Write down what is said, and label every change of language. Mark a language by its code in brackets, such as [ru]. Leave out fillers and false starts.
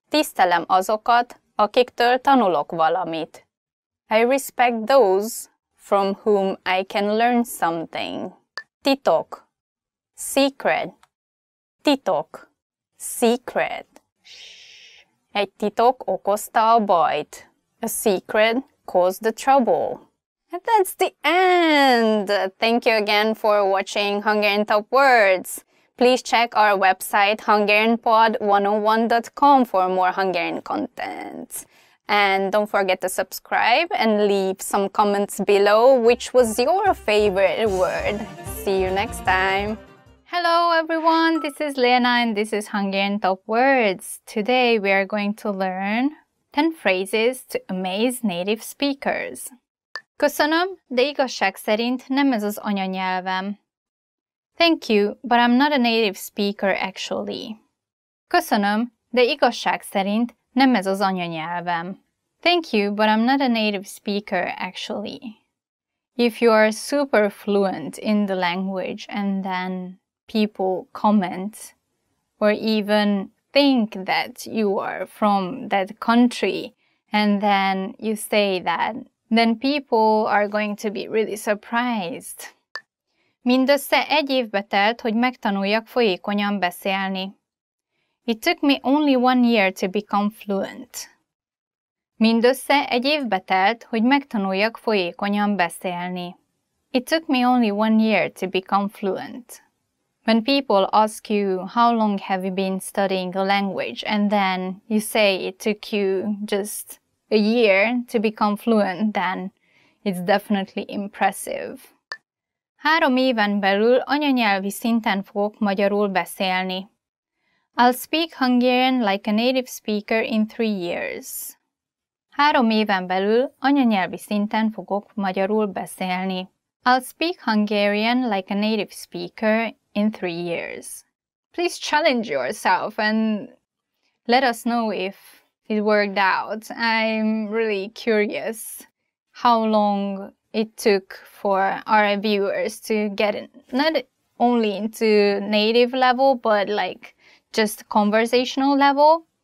[hu] Tisztelem azokat, akiktől tanulok valamit. [en] I respect those from whom I can learn something. [hu] Titok, secret. Titok, secret. Shh. Egy titok okozta a bajt. [en] A secret caused the trouble. And that's the end! Thank you again for watching Hungarian Top Words. Please check our website HungarianPod101.com for more Hungarian content. And don't forget to subscribe and leave some comments below which was your favorite word. See you next time! Hello everyone, this is Lena and this is Hungarian Top Words. Today we are going to learn 10 phrases to amaze native speakers. [hu] Köszönöm, de igazság szerint nem ez az anyanyelvem. [en] Thank you, but I'm not a native speaker actually. [hu] Köszönöm, de igazság szerint nem ez az anyanyelvem. [en] Thank you, but I'm not a native speaker actually. If you are super fluent in the language and then people comment or even think that you are from that country and then you say that, then people are going to be really surprised. [hu] Mindössze egy évbe telt, hogy megtanuljak folyékonyan beszélni. [en] It took me only 1 year to become fluent. [hu] Mindössze egy évbe telt, hogy megtanuljak folyékonyan beszélni. [en] It took me only 1 year to become fluent. When people ask you, how long have you been studying a language, and then you say it took you just a year to become fluent, then it's definitely impressive. [hu] 3 éven belül anyanyelvi szinten fogok magyarul beszélni. [en] I'll speak Hungarian like a native speaker in 3 years. [hu] 3 éven belül anyanyelvi szinten fogok magyarul beszélni. [en] I'll speak Hungarian like a native speaker in 3 years. Please challenge yourself and let us know if it worked out. I'm really curious how long it took for our viewers to get in, not only into native level, but like just conversational level.